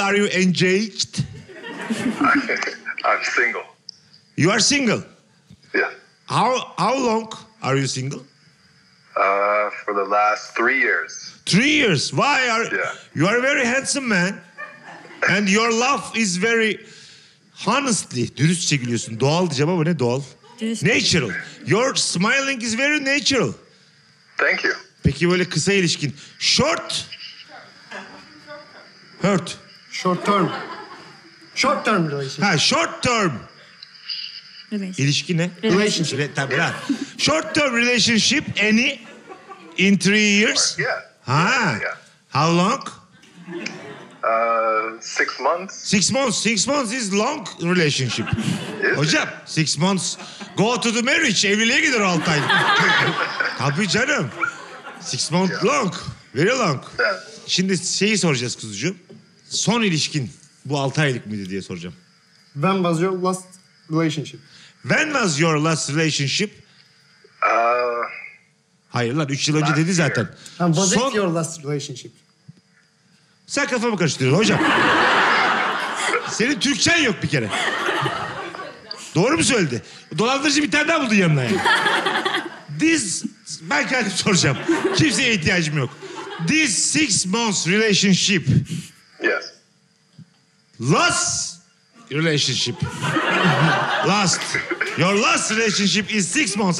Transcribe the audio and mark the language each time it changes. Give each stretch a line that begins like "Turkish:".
English: Are you engaged? I'm single. You are single? Yeah. How long are you single? For the last 3 years. 3 years? Why are... Yeah. You are a very handsome man. And your love is very... Honestly,
Turkish: dürüstçe gülüyorsun. Doğal diyeceğim ama ne doğal? Dürüst.
English: Natural. Your smiling is very natural. Thank you.
Turkish: Peki böyle kısa ilişkin.
English: Short. Hurt. Short term. Short term relationship. Ha, short term. Relation.
Turkish: İlişki ne?
English: Relationship.
Turkish: Tabii lan.
English: Short term relationship any in 3 years? Yeah. Ha. Yeah. How long? 6 months. 6 months. 6 months is long relationship.
Turkish: Hocam,
English: 6 months. Go to the marriage.
Turkish: Evliliğe gider 6 ay. Tabii canım.
English: 6 months yeah. Long. Very long. Yeah.
Turkish: Şimdi şeyi soracağız kuzucuğum. Son ilişkin bu 6 aylık mıydı diye soracağım.
English: When was your last relationship? When was your last relationship?
Turkish: Hayır lan 3 yıl önce dedi zaten.
English: Was it your last relationship?
Turkish: Sen kafamı karıştırıyorsun hocam. Senin Türkçen yok bir kere. Doğru mu söyledi? Dolandırıcı bir tane daha buldun yanına yani. This, ben kendim soracağım. Kimseye ihtiyacım yok.
English: This 6 months relationship. Yes. Last relationship. Last. Your last relationship is 6 months.